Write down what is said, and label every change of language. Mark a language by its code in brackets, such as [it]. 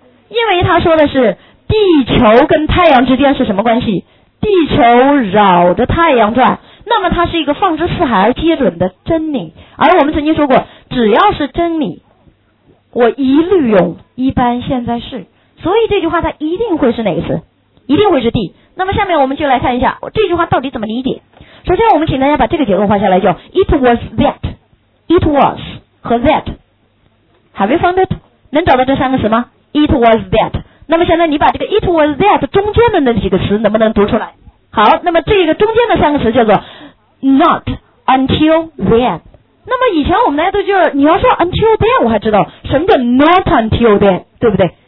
[zh] 因为他说的是地球跟太阳之间是什么关系，地球绕着太阳转，那么它是一个放之四海而皆准的真理。而我们曾经说过，只要是真理我一律用一般现在式，所以这句话它一定会是哪个词？一定会是 D。那么下面我们就来看一下这句话到底怎么理解。首先我们请大家把这个结构画下来，叫 It was that， It was 和 that， [en] Have you found it？ [zh] 能找到这三个词吗？It was that。那么现在你把这个 It was that 中间的那几个词能不能读出来？好，那么这个中间的三个词叫做 Not until then。那么以前我们大家都就是你要说 until then 我还知道什么叫 Not until then， 对不对？